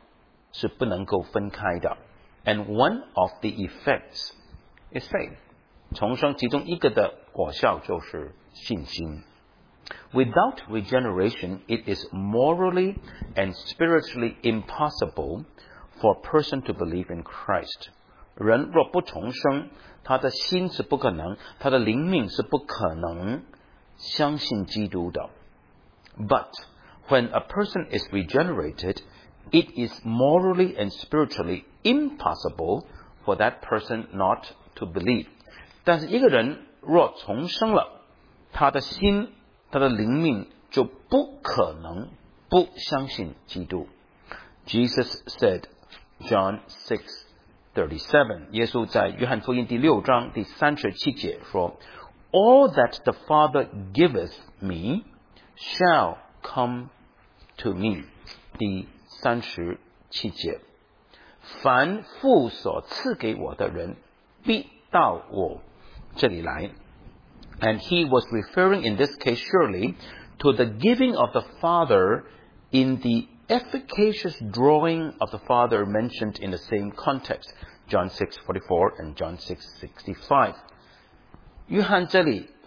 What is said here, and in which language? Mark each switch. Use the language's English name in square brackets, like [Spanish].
[Chinese] 重生和重生产生的果效是不能够分开的. [English] And one of the effects is faith. [Chinese] 重生其中一个的果效就是信心. [English] Without regeneration, it is morally and spiritually impossible for a person to believe in Christ. [Chinese] 人若不重生, 他的心是不可能, 他的灵命是不可能相信基督的. [English] But when a person is regenerated, it is morally and spiritually impossible for that person not to believe. [Chinese] 但是一个人若重生了, 他的心, 他的灵命就不可能不相信基督. [English] Jesus said, John 6, 37, [Chinese] 耶稣在约翰福音第六章第37节说, [English] All that the Father giveth me shall come to me. [Chinese] 第37节, 凡父所赐给我的人必到我这里来. [English] And he was referring in this case surely to the giving of the Father in the efficacious drawing of the Father mentioned in the same context, John 6:44 and John 6:65.